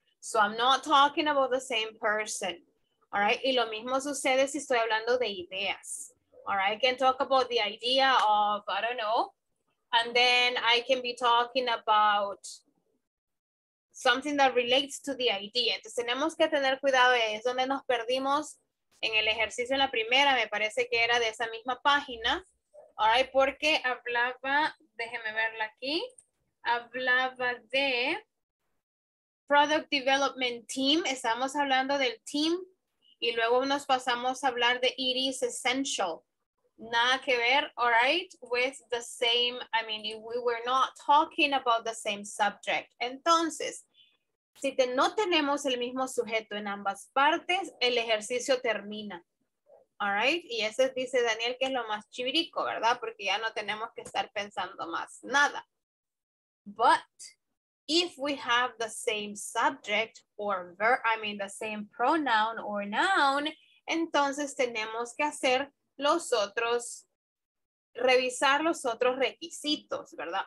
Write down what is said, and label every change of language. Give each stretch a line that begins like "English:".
English: So I'm not talking about the same person, all right?
Spanish: Y lo mismo sucede si estoy hablando de ideas,
English: all right? I can talk about the idea of, I don't know, and then I can be talking about something that relates to the idea.
Spanish: Entonces tenemos que tener cuidado, es donde nos perdimos en el ejercicio en la primera, me parece que era de esa misma página,
English: all right?
Spanish: Porque hablaba, déjeme verla aquí, hablaba de Product Development Team, estamos hablando del team y luego nos pasamos a hablar de It is Essential. Nada que ver,
English: all right, with the same, I mean, we were not talking about the same subject.
Spanish: Entonces, si no tenemos el mismo sujeto en ambas partes, el ejercicio termina,
English: all right?
Spanish: Y eso dice Daniel que es lo más chivirico, ¿verdad? Porque ya no tenemos que estar pensando más nada.
English: But if we have the same subject or verb, I mean the same pronoun or noun,
Spanish: entonces tenemos que hacer los otros, revisar los otros requisitos, ¿verdad?